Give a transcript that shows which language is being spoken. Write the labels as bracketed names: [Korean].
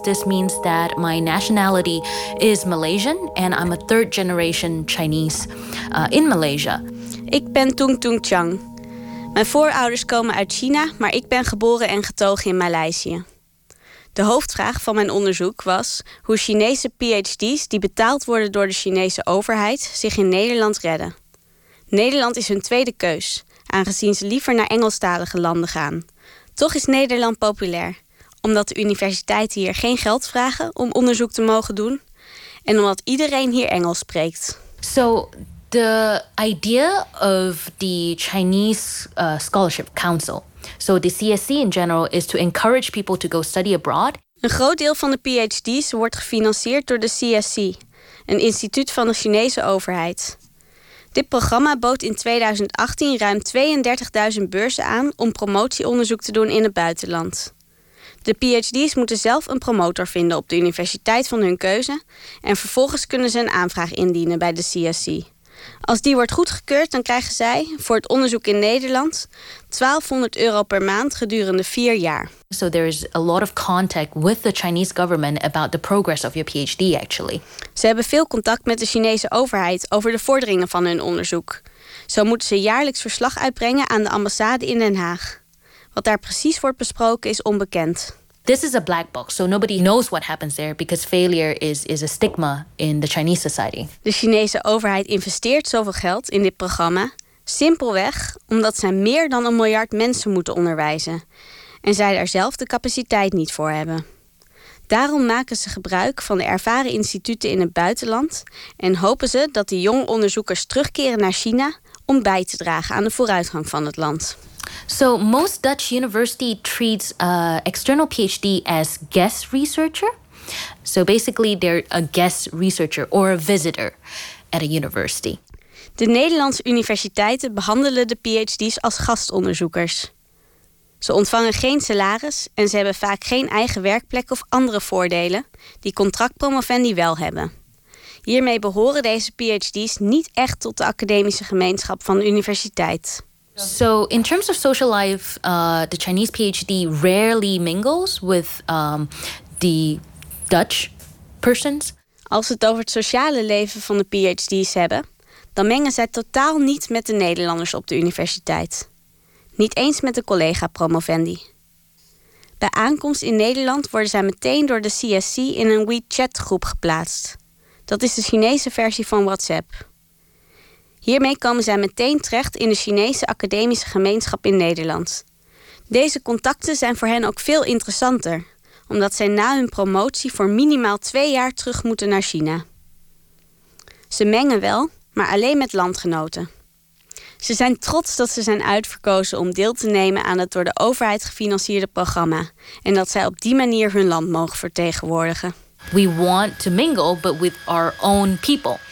[English] This means that my nationality is Malaysian and I'm a third generation Chinese in Malaysia. [Dutch] Ik ben Tung Tung Chang. Mijn voorouders komen uit China, maar ik ben geboren en getogen in Maleisië. De hoofdvraag van mijn onderzoek was hoe Chinese PhD's die betaald worden door de Chinese overheid zich in Nederland redden. Nederland is hun tweede keus, aangezien ze liever naar Engelstalige landen gaan. Toch is Nederland populair, omdat de universiteiten hier geen geld vragen om onderzoek te mogen doen en omdat iedereen hier Engels spreekt. [English] So the idea of the Chinese Scholarship Council, so the CSC in general, is to encourage people to go study abroad. [Dutch] Een groot deel van de PhD's wordt gefinancierd door de CSC, een instituut van de Chinese overheid. Dit programma bood in 2018 ruim 32.000 beurzen aan om promotieonderzoek te doen in het buitenland. De PhD's moeten zelf een promotor vinden op de universiteit van hun keuze en vervolgens kunnen ze een aanvraag indienen bij de CSC. Als die wordt goedgekeurd, dan krijgen zij voor het onderzoek in Nederland €1200 per maand gedurende 4 jaar. [English] So there is a lot of contact with the Chinese government about the progress of your PhD actually. [Dutch] Ze hebben veel contact met de Chinese overheid over de vorderingen van hun onderzoek. Zo moeten ze jaarlijks verslag uitbrengen aan de ambassade in Den Haag. Wat daar precies wordt besproken is onbekend. [English] This is a black box, so nobody knows what happens there because failure is a stigma in the Chinese society. [Dutch] De Chinese overheid investeert zoveel geld in dit programma simpelweg omdat zij meer dan 1 miljard mensen moeten onderwijzen en zij daar zelf de capaciteit niet voor hebben. Daarom maken ze gebruik van de ervaren instituten in het buitenland en hopen ze dat die jonge onderzoekers terugkeren naar China om bij te dragen aan de vooruitgang van het land. [English] So most Dutch university treats external PhD as guest researcher. So basically they're a guest researcher or a visitor at a university. [Dutch] De Nederlandse universiteiten behandelen de PhD's als gastonderzoekers. Ze ontvangen geen salaris en ze hebben vaak geen eigen werkplek of andere voordelen die contractpromovendi wel hebben. Hiermee behoren deze PhD's niet echt tot de academische gemeenschap van de universiteit. [English] So in terms of social life, the Chinese PhD rarely mingles with the Dutch persons. [Dutch] Als ze het over het sociale leven van de PhD's hebben, dan mengen zij totaal niet met de Nederlanders op de universiteit. Niet eens met de collega promovendi. Bij aankomst in Nederland worden zij meteen door de CSC in een WeChat groep geplaatst. Dat is de Chinese versie van WhatsApp. Hiermee komen zij meteen terecht in de Chinese academische gemeenschap in Nederland. Deze contacten zijn voor hen ook veel interessanter, omdat zij na hun promotie voor minimaal 2 jaar terug moeten naar China. Ze mengen wel, maar alleen met landgenoten. Ze zijn trots dat ze zijn uitverkozen om deel te nemen aan het door de overheid gefinancierde programma en dat zij op die manier hun land mogen vertegenwoordigen. [English] We want to mingle, but with our own people.